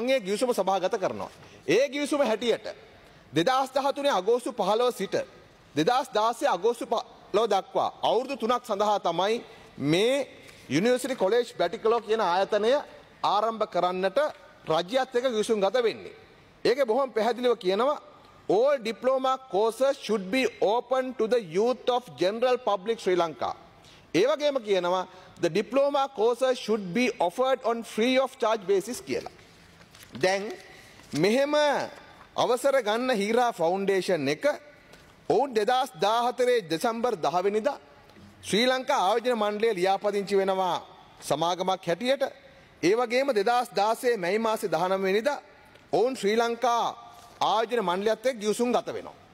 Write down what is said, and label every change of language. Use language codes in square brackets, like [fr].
[si] මම ඒ ගිවිසුම සභාගත කරනවා. ඒ ගිවිසුම හැටියට 2013 අගෝස්තු 15 සිට 2016 අගෝස්තු 15 දක්වා අවුරුදු 3ක් සඳහා තමයි මේ යුනිවර්සිටි කොලෙජ් බැටිකලෝ කියන ආයතනය ආරම්භ කරන්නට රජයත් එක්ක ගිවිසුම් ගත වෙන්නේ. ඒකේ බොහොම පැහැදිලිව කියනවා [en] all diploma courses should be open to the youth of general public Sri Lanka. [si] ඒ වගේම කියනවා [en] the diploma courses should be offered on free of charge basis [si] කියලා. දැන් මෙහෙම අවසර ගන්න හීරා ෆවුන්ඩේෂන් එක ඔවුන් 2014 දෙසැම්බර් 10 වෙනිදා ශ්‍රී ලංකා ආයෝජන මණ්ඩලය ලියාපදිංචි වෙනවා සමාගමක් හැටියට. ඒ වගේම 2016 මැයි මාසේ 19 වෙනිදා ඔවුන් ශ්‍රී ලංකා ආයෝජන මණ්ඩලයත් එක්ක ගිවිසුම් ගත වෙනවා.